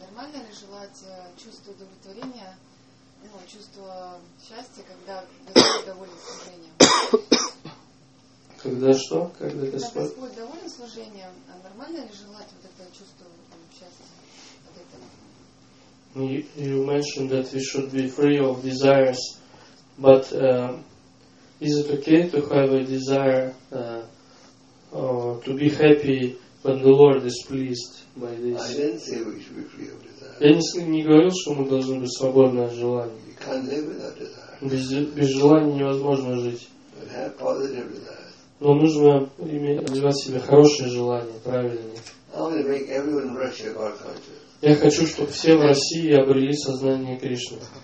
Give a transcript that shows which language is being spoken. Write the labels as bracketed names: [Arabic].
[Russian] Нормально ли желать чувство удовлетворения, ну, чувство счастья, когда Господь доволен служением? Когда что? Когда Господь? Когда Господь доволен служением, а нормально ли желать вот это чувство счастья? [English] You mentioned that we should be free of desires, but is it okay to have a desire to be happy when the Lord is pleased by this? I didn't say we should be free of desires. [Russian] Я не говорил, что мы должны быть свободны от желаний. [English] You can't live without desires. [Russian] Без желаний невозможно жить. [English] But have positive desires. [Russian] Но нужно развивать в себе хорошие желания, правильные. [English] I want to make everyone in Russia God conscious. [Russian] Я хочу, чтобы все в России обрели сознание Кришны.